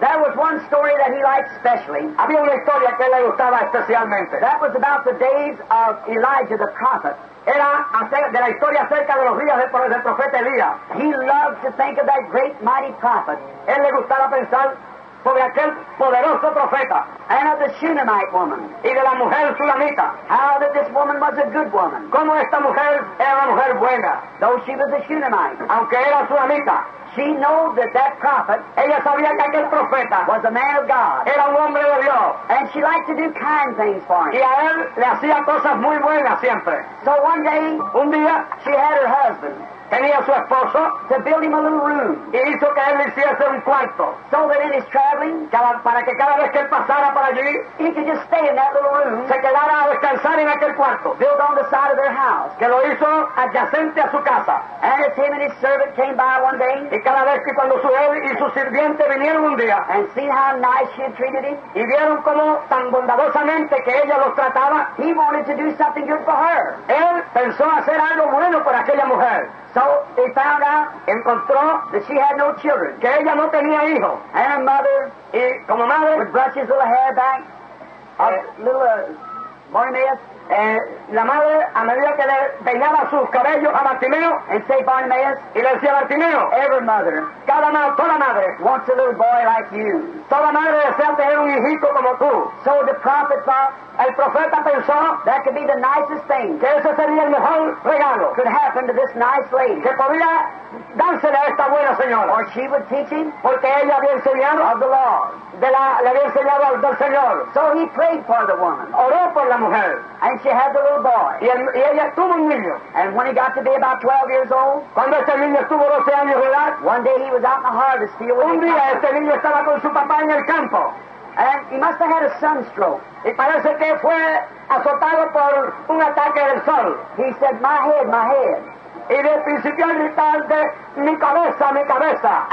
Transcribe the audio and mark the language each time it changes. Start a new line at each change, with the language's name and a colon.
English: There was one story that he liked specially.
Spanish: Había una historia que le gustaba especialmente.
English: That was about the days of Elijah the prophet.
Spanish: Era de la historia acerca de los días del profeta Elías.
English: He loved to think of that great mighty prophet.
Spanish: Él le gustaba pensar sobre aquel poderoso profeta.
English: And of the Shunammite woman.
Spanish: Y de la mujer Shunamita.
English: How that this woman was a good woman.
Spanish: Como esta mujer era una mujer buena.
English: Though she was a Shunammite.
Spanish: Aunque era Shunamita.
English: She knew that that prophet.
Spanish: Ella sabía que aquel profeta.
English: Was a man of God.
Spanish: Era un hombre de Dios.
English: And she liked to do kind things for him.
Spanish: Y a él le hacía cosas muy buenas siempre.
English: So one day.
Spanish: Un día.
English: She had her husband.
Spanish: Tenía su esposo.
English: To build him a little room.
Spanish: Y hizo que él le hiciese un cuarto.
English: So that in his traveling.
Spanish: Para que cada vez que él pasara por allí.
English: He could just stay in that little room.
Spanish: Se quedara a descansar en aquel cuarto.
English: Built on the side of their house.
Spanish: Que lo hizo adyacente a su casa.
English: And as him and his servant came by one day.
Spanish: Y cada vez que cuando su él y su sirviente vinieron un día.
English: And see how nice she had treated him.
Spanish: Y vieron cómo tan bondadosamente que ella los trataba.
English: He wanted to do something good for her.
Spanish: Él pensó hacer algo bueno por aquella mujer.
English: So he found out,
Spanish: encontró
English: that she had no children.
Spanish: Que ella no tenía hijo.
English: And her mother,
Spanish: y como madre,
English: would brush his little hair back, little Bartimeo.
Spanish: La madre, a medida que le peinaba sus cabellos a Bartimeo,
English: and say Bartimeo,
Spanish: y le decía Bartimeo,
English: every mother,
Spanish: toda madre,
English: wants a little boy like you.
Spanish: Toda madre desea tener un hijito como tú.
English: So the prophet thought.
Spanish: El profeta pensó
English: that could be the nicest thing
Spanish: que ese sería el mejor regalo
English: could happen to this nice lady.
Spanish: Que podría dársele a esta buena señora.
English: Or she would teach him
Spanish: porque ella había enseñado
English: of the law.
Spanish: Le había enseñado al del Señor.
English: So he prayed for the woman.
Spanish: Oró por la mujer.
English: And she had the little boy.
Spanish: Y ella tuvo un niño.
English: And when he got to be about 12 years old.
Spanish: Cuando este niño estuvo 12 años de edad.
English: One day he was out in the harvest field.
Spanish: Un día este niño estaba con su papá en el campo.
English: And he must have had a sunstroke.
Spanish: Y parece que fue azotado por un ataque del sol.
English: He said, my head, my head.
Spanish: Y de principio a gritar de mi cabeza, mi cabeza.